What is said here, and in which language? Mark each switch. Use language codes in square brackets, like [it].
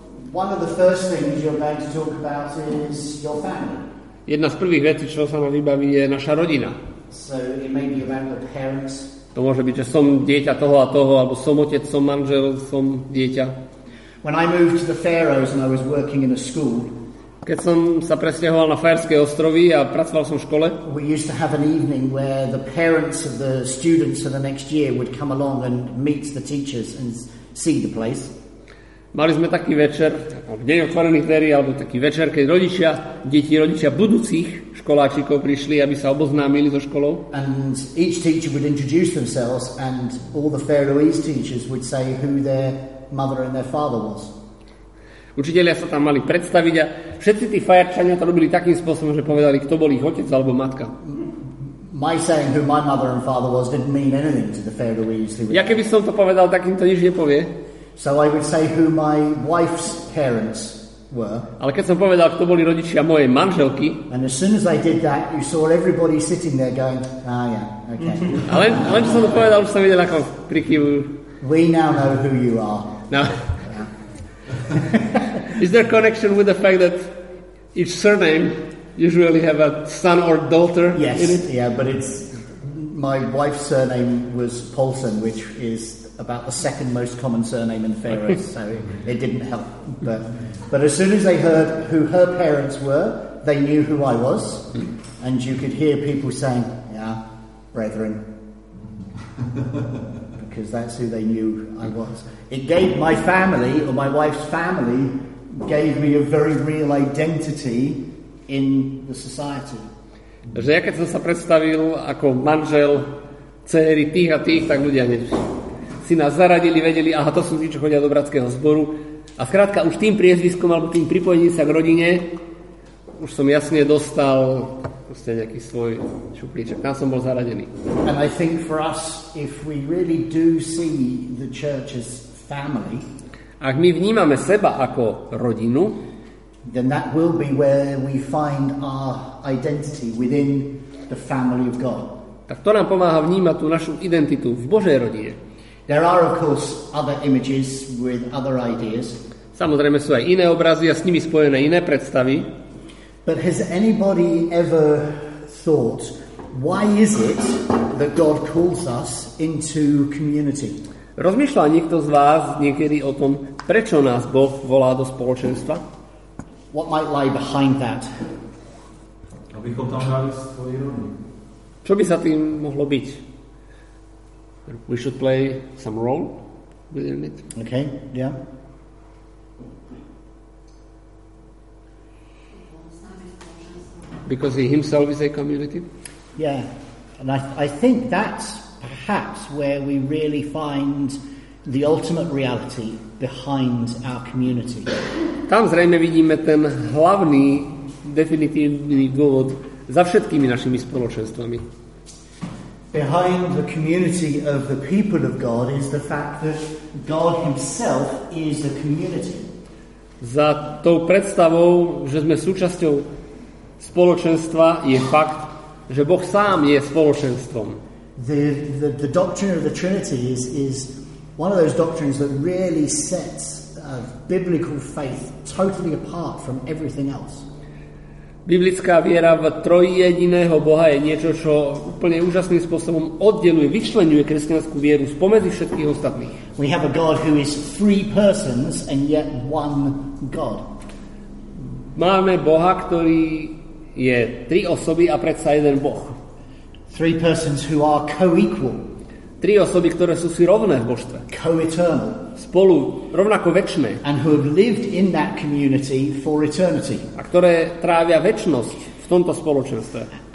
[en] One of the first things you're going to talk about is your family. [sk] Jedna z prvých vecí, čo sa nám vybaví, je naša rodina. [en] So it may be around the parents. [sk] To môže byť, že som dieťa toho a toho, alebo som otec, som manžel, som dieťa. [en] When I moved to the Faroes and I was working in a school. [sk] Keď som sa presťahoval na Faerské ostrovy a pracoval som v škole. [en] We used to have an evening where the parents of the students for the next year would come along and meet the teachers and see the place. [sk] Mali sme taký večer, alebo deň otvorených dverí, alebo taký večer, keď rodičia, deti, rodičia budúcich školáčikov prišli, aby sa oboznámili so školou. [en] And each teacher would introduce themselves and all the Faroese teachers would say who their mother and their father was. [sk] Učitelia sa tam mali predstaviť a všetci tí Fajerčania to robili takým spôsobom, že povedali, kto bol ich otec alebo matka. [en] My saying who my mother and father was didn't mean anything to the Faroese. [sk] Ja keby som to povedal, tak im to nič nepovie. [en] So I would say who my wife's parents were. [sk] Ale keď som povedal, kto boli rodičia mojej manželky. [en] And as soon as I did that, you saw everybody sitting there going, ah, yeah, okay. [sk] Ale keď som to povedal, už som videl, ako prikývujú. [en] We now know who you are. [sk] No. [en] Is there a connection with the fact that each surname usually have a son or daughter yes, in it? Yes, yeah, but it's my wife's surname was Paulson, which is about the second most common surname in Faroes, so it didn't help. But as soon as they heard who her parents were, they knew who I was, and you could hear people saying, yeah, brethren, because that's who they knew I was. It gave my family, or my wife's family, gave me a very real identity in the society. [sk] Že ja keď som sa predstavil ako manžel dcery tých a tých, tak ľudia hneď si nás zaradili, vedeli, aha, to sú tí, čo chodia do bratského zboru. A skrátka, už tým priezviskom alebo tým pripojením sa k rodine, už som jasne dostal proste nejaký svoj šuplíček. Tam som bol zaradený. [en] And I think for us, if we really do see the church as family, [sk] ak my vnímame seba ako rodinu, [en] then that will be where we find our identity within the family of God. [sk] Tak to nám pomáha vnímať tú našu identitu v Božej rodine. [en] There are of course other images with other ideas. [sk] Samozrejme sú aj iné obrazy a s nimi spojené iné predstavy. [en] But has anybody ever thought why is it that God calls us into community? [sk] Rozmýšľa niekto z vás niekedy o tom, prečo nás Boh volá do spoločenstva? [en] What might lie behind that? [sk] Abychom tam hrali svoje rodiny. Čo by sa tým mohlo byť? [en] We should play some role within it. Okay, yeah. Because he himself is a community? Yeah. And I think that's perhaps where we really find the ultimate reality behind our community. [sk] Tam zrejme vidíme ten hlavný definitívny dôvod za všetkými našimi spoločenstvami. [en] Behind the community of the people of God is the fact that God himself is the community. [sk] Za tou predstavou, že sme súčasťou spoločenstva, je fakt, že Boh sám je spoločenstvom. [en] The doctrine of the Trinity is one of those doctrines that really sets biblical faith totally apart from everything else. [sk] Biblická viera v trojjediného Boha je niečo, čo úplne úžasným spôsobom oddeluje, vyčleňuje kresťanskú vieru spomedzi všetkých ostatných. [en] We have a God who is three persons and yet one God. [sk] Máme Boha, ktorý je tri osoby a predsa jeden Boh. [en] Three persons who are co-equal. [sk] Tri osoby, ktoré sú si rovné v božstve. [en] Co-eternal. [sk] Spolu, rovnako večné. [en] And who have lived in that community for eternity. [sk] A ktoré trávia večnosť v tomto spoločenstve.